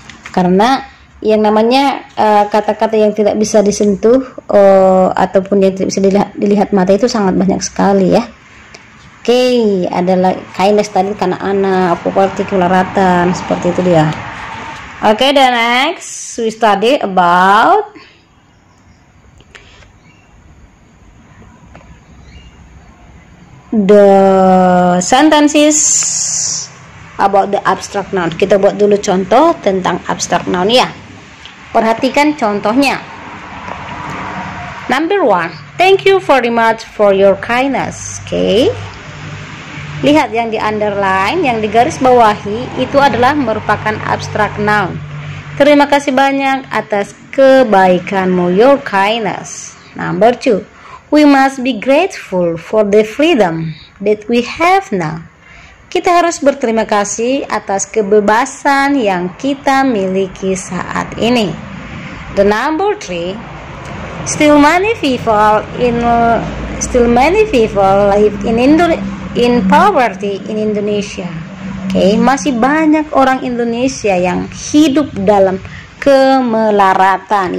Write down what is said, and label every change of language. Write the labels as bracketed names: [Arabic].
[Indonesian] Karena yang namanya kata-kata yang tidak bisa disentuh ataupun yang tidak bisa dilihat mata itu sangat banyak sekali ya. Oke, okay, adalah kindness tadi, karena anak, poverty, kelaratan, seperti itu dia. [English] Oke, okay, the next we study about the sentences about the abstract noun. [Indonesian] Kita buat dulu contoh tentang abstract noun ya. Perhatikan contohnya. [English] Number one, thank you very much for your kindness. [Indonesian] Okay. Lihat yang di underline, yang di garis bawahi itu adalah merupakan abstract noun. Terima kasih banyak atas kebaikanmu, [English] your kindness. Number two, we must be grateful for the freedom that we have now. [Indonesian] Kita harus berterima kasih atas kebebasan yang kita miliki saat ini. [English] The number three, still many people live in poverty in Indonesia. [Indonesian] Okay, masih banyak orang Indonesia yang hidup dalam kemelaratan.